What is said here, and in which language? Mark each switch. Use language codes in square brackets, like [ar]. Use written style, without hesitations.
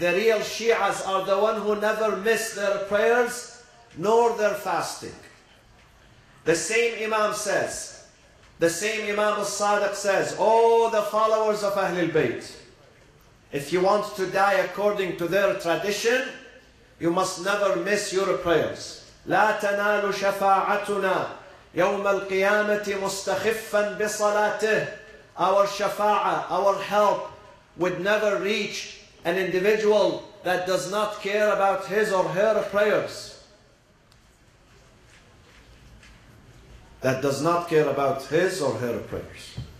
[en] The real Shias are the one who never miss their prayers nor their fasting. The same Imam says, the same Imam al-Sadiq says, oh, the followers of Ahlul Bayt, if you want to die according to their tradition, you must never miss your prayers. [ar] لا تنال شفاعتنا يوم القيامة مستخفا بصلاته. [en] Our shafa'ah, our help, would never reach an individual that does not care about his or her prayers. That does not care about his or her prayers.